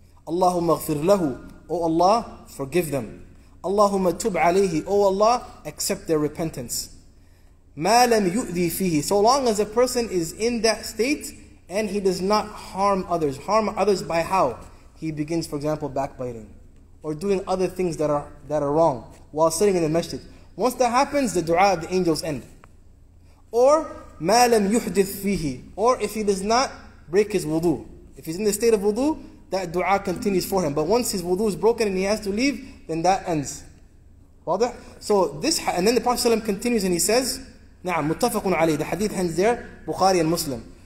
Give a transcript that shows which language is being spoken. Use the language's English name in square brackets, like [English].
[English] Allahumma aghfir lahu, O Allah, forgive them. Allahumma tub alayhi, O Allah, accept their repentance. [Arabic] ما لم يؤذي فيه, [English] so long as a person is in that state, and he does not harm others. Harm others by how? He begins, for example, backbiting. Or doing other things that are wrong while sitting in the masjid. Once that happens, the dua of the angels end. Or, [Arabic] مَا لَمْ يُحْدِثْ فِيهِ. [English] Or if he does not break his wudu. If he's in the state of wudu, that dua continues for him. But once his wudu is broken and he has to leave, then that ends. Wadih? So this, and then the Prophet ﷺ continues and he says, [Arabic] نعم, متفقٌ عليه. [English] The hadith ends there, Bukhari and Muslim.